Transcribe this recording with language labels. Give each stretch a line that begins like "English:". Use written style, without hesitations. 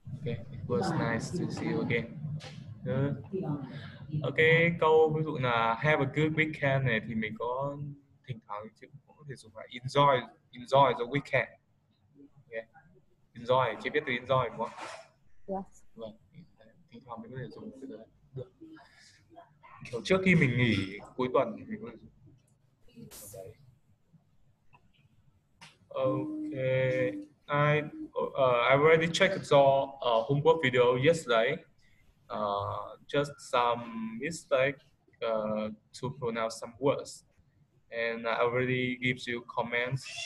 English: Okay, it was nice to see you again. Good.
Vietnamese: Okay, câu ví dụ là
English: have a good weekend
Vietnamese: này thì mình có thỉnh thoảng chứ cũng có thể dùng là
English: enjoy the weekend.
Vietnamese: Enjoy, chị biết từ enjoy đúng không?
English: Yes.
Vietnamese: Vâng, thỉnh thoảng mình có thể dùng từ đấy. Được. Kiểu trước khi mình nghỉ cuối tuần thì mình có thể dùng.
English: Okay, I already checked the homework video yesterday. Just some mistake to pronounce some words, and I already gives you comments.